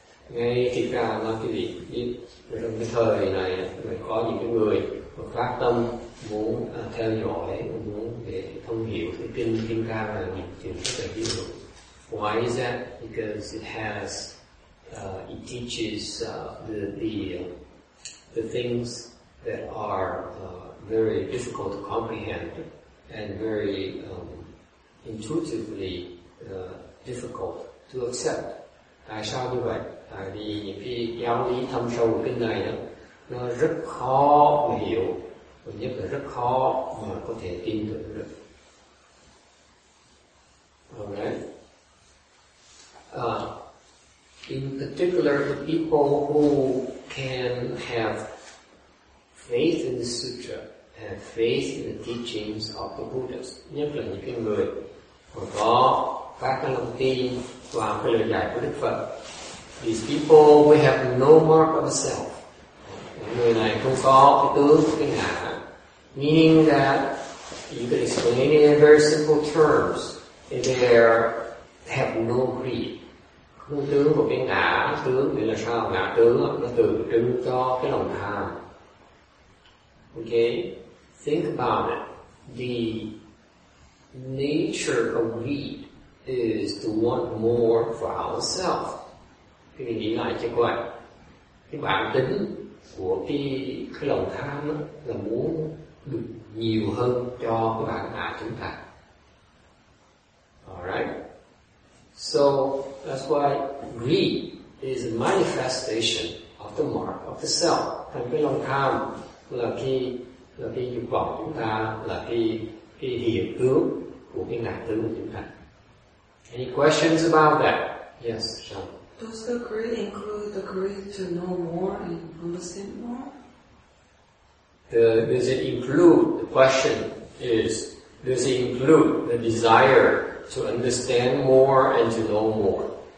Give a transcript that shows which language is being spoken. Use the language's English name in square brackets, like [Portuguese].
[Vietnamese] Ngay khi càng nói cái gì, trong cái thời này có những cái người mà phát tâm muốn theo dõi, muốn để thông hiểu cái kinh Kim Cang là một chuyện rất là hy hữu. [English] Why is that? Because it has, it teaches the things that are very difficult to comprehend and very intuitively difficult to accept. [Vietnamese] Tại sao như vậy? Tại vì những cái giáo lý thâm sâu của kinh này đó, nó rất khó hiểu. Nhất là rất khó mà có thể tin tưởng được. [English] Alright. In particular, the people who can have faith in the sutra, have faith in the teachings of the Buddhas. [Vietnamese] Nhất là những cái người mà có các cái lòng tin vào cái lời dạy của Đức Phật. [English] These people will have no mark of self. [Vietnamese] Người này không có cái tướng của cái ngã. [English] Meaning that you can explain it in very simple terms. They have no greed. [Vietnamese] Không tướng của cái ngã tướng nghĩa là sao? Ngã tướng nó tượng trưng cho cái lòng tham. [English] Okay, think about it. The nature of greed is to want more for ourselves. [Vietnamese] Cái nghĩ lại cho coi. Cái bản tính của cái lòng tham đó là muốn được nhiều hơn cho bản ngã chúng ta. [English] Alright. So that's why greed is a manifestation of the mark of the self. [Vietnamese] Thành cái lòng tham là khi là cái dục vọng chúng ta là cái hiện tướng của cái ngã tướng của chúng ta. [English] Any questions about that? Yes, sure. Does the greed include the greed to know more and understand more? Does it include, the question is, does it include the desire to understand more and to know more?